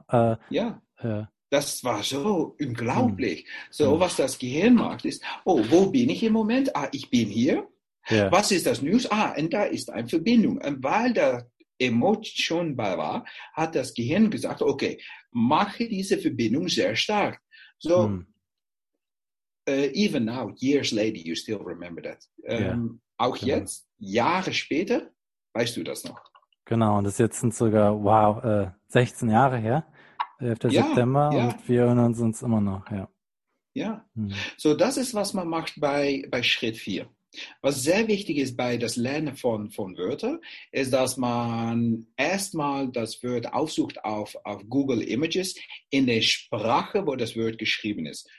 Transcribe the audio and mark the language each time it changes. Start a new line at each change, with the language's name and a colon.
German: Das war so unglaublich. So, was das Gehirn macht, ist, wo bin ich im Moment? Ich bin hier.
English: Yeah.
German: Was ist das News? Und da ist eine Verbindung. Und weil der Emotion schon bei war, hat das Gehirn gesagt, okay, mache diese Verbindung sehr stark.
English: So, even now, years later, you still remember that.
German: Auch genau. Jetzt, Jahre später, weißt du das noch. Genau, und das jetzt sind sogar, 16 Jahre her. 11. September und wir erinnern uns immer noch. Ja, ja. So das ist, was man macht bei Schritt 4. Was sehr wichtig ist bei das Lernen von Wörtern, ist, dass man erstmal das Wort aufsucht auf Google Images in der Sprache, wo das Wort geschrieben ist.